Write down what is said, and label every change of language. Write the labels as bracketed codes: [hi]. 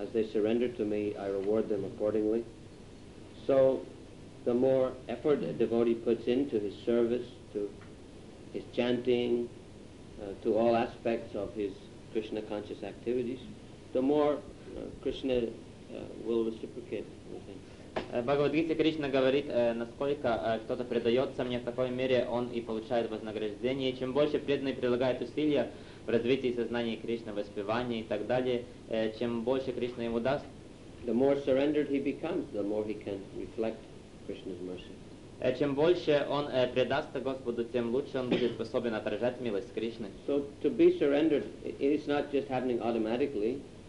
[en] As they surrender to me, I reward them accordingly. So, the more effort a devotee puts into his service, to his chanting, to all aspects of his Krishna conscious activities, the more Krishna will reciprocate with him. [ru] Бхагавад-гита Кришна говорит, насколько кто-то предается мне, в такой мере он и получает вознаграждение. Чем больше преданный прилагает усилия в развитии сознания Кришны, воспевании и так далее, чем больше Кришна ему даст, [en] the more surrendered he becomes, the more he can reflect Krishna's mercy. [ru] Чем больше он предаст Господу, тем лучше он будет способен отражать милость Кришны. [en] So to be surrendered, it is not just happening automatically.